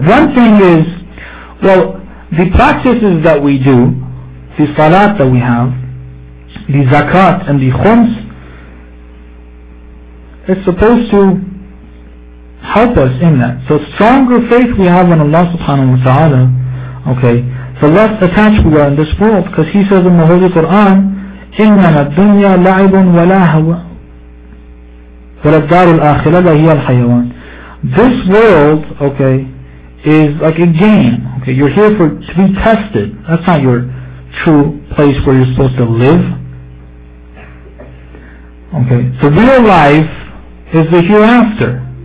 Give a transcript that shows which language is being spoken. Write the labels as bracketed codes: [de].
[en] One thing is, well, the practices that we do, the salat that we have, the zakat and the khums, is supposed to help us in that. So stronger faith we have in Allah subhanahu wa ta'ala, okay, the less attached we are in this world, because he says in the Holy Quran, [ar] إِنَّمَا الدُّنْيَا لَعِبٌ وَلَاهَوٌ وللدار الآخرة لا هي الحيوان. [en] This world, okay, is like a game. Okay, you're here for to be tested. That's not your true place where you're supposed to live. Okay, the real life is the hereafter.